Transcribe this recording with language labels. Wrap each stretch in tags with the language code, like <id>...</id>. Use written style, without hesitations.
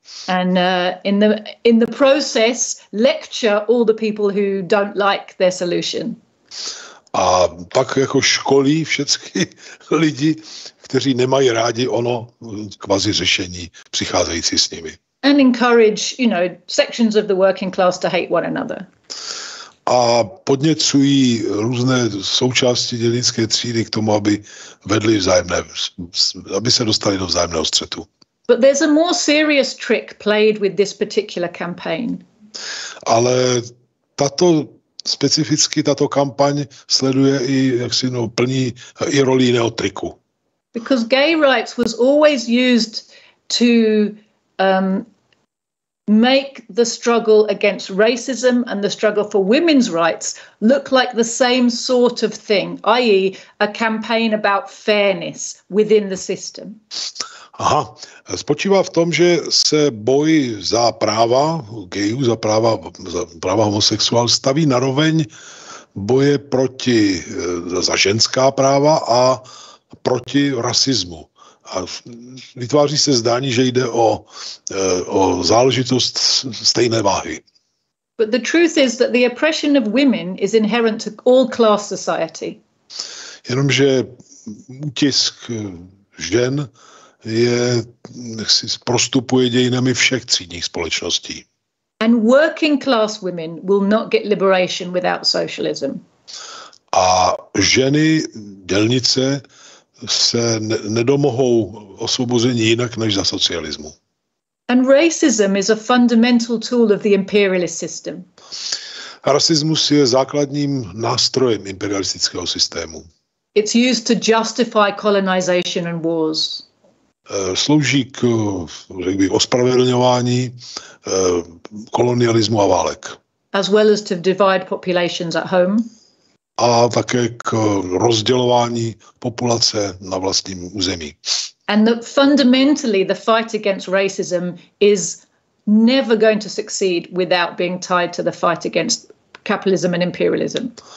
<en>And in the process lecture all the people who don't like their solution.</en> <cs>A pak jako školí všechny lidi, kteří nemají rádi ono kvazi řešení přicházející s nimi.</cs> <en>And encourage, sections of the working class to hate one another.</en> <cs>A podněcují různé součásti dělnické třídy k tomu, aby se dostali do vzájemného střetu.</cs> <en>But there's a more serious trick played with this particular campaign.</en> <cs>Ale tato kampaň sleduje i plní i roli jiného triku.</cs> <en>Because gay rights was always used to make the struggle against racism and the struggle for women's rights look like the same sort of thing, i.e. a campaign about fairness within the system.</en> <cs>Aha, spočívá v tom, že se boj za práva gayů, za práva homosexuál staví naroveň boje proti za ženská práva a proti rasismu. A vytváří se zdání, že jde o záležitost stejné váhy.</cs> <en>But the truth is that the oppression of women is inherent to all class society.</en> <cs>Jenomže útisk žen je prostupuje dějinami všech třídních společností.</cs> <en>And working class women will not get liberation without socialism.</en> <cs>A ženy dělnice se nedomohou osvobození jinak než za socialismu.</cs> <en>And racism is a fundamental tool of the imperialist system.</en> <cs>Rasismus je základním nástrojem imperialistického systému.</cs> <en>It's used to justify colonization and wars.</en> <cs>Slouží k, řekl bych, ospravedlňování kolonialismu a válek.</cs> <en>As well as to divide populations at home.</en> <cs>a také k rozdělování populace na vlastním území.</cs> <en>And that fundamentally the fight against racism is never going to succeed without being tied to the fight against capitalism and imperialism.</en>